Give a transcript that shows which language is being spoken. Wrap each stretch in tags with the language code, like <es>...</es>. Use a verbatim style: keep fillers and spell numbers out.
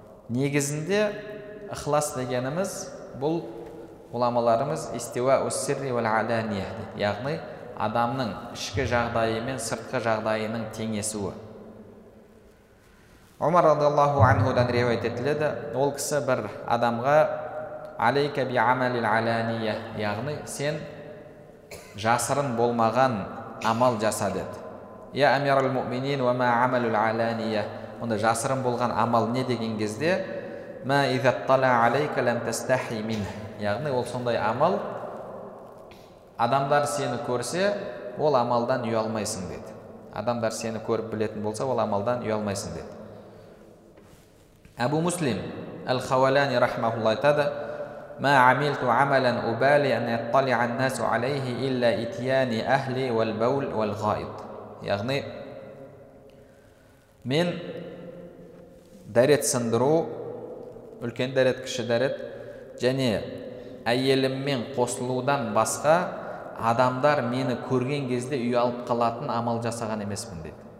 <kk>Негізінде ықылас дегеніміз бұл ғұламаларымыз истиуа ус-сирри уәл-алания, яғни адамның ішкі жағдайы мен сыртқы жағдайының теңесуі. Омар радиллаху анхудан риуайт етіледі, ол кісі бір адамға</kk> <ar>алейка би амалил алания,</ar> <kk>яғни сен жасырын болмаған амал жаса деді.</kk> <ar>Я амирал му'минин уа ма амалул алания.</ar> <kk>Онда жасырын болған амал не деген кезде</kk> <ar>ма иза тала алейка лам тастахи мин.</ar> <kk>Яғни ол сондай амал, адамдар сені көрсе, ол амалдан ұялмайсың деді. Адамдар сені көріп білетін болса, ол амалдан ұялмайсың деді. Абу Муслим әл-Хавалани рахмаһуллаһ айтады:</kk> <ar>ما عملت عملا أبالي أن يطلع الناس عليه إلا إتيان أهلي والبول والغائط.</ar> <kk>яғни мен дәрет сындыру, үлкен дәрет, кіші дәрет және әйеліммен қосылудан басқа адамдар мені көрген кезде ұялып қалатын амал жасаған емеспін деді.</kk>